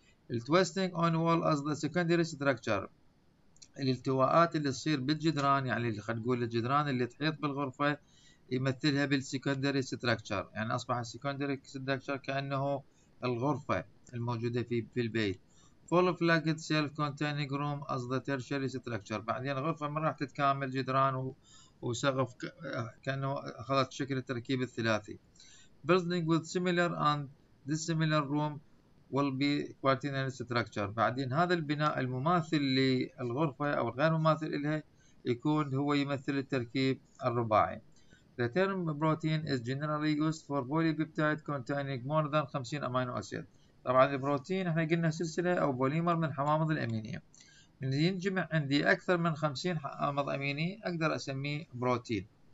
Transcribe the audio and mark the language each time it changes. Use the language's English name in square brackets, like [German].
[English] التويستنج on wall is the secondary structure, [Arabic] الالتواءات اللي تصير بالجدران يعني خلينا نقول الجدران اللي تحيط بالغرفه يمثلها بالسكندري ستراكشر، يعني اصبح السكندري ستراكشر كانه الغرفه الموجوده في البيت. [English] Full flagged self-containing room as the tertiary structure. [Arabic] بعدين غرفة من راح تتكامل جدران وسقف كأنه أخذت شكل التركيب الثلاثي. [English] Building with similar and dissimilar room will be quaternary structure. [Arabic] بعدين هذا البناء المماثل للغرفة أو الغير مماثل إلها يكون هو يمثل التركيب الرباعي. [English] The term protein is generally used for polypeptide containing more than 50 amino acid. [Arabic] طبعا البروتين احنا قلنا سلسله او بوليمر من الحوامض الامينيه، من يجمع عندي اكثر من 50 حامض اميني اقدر اسميه بروتين.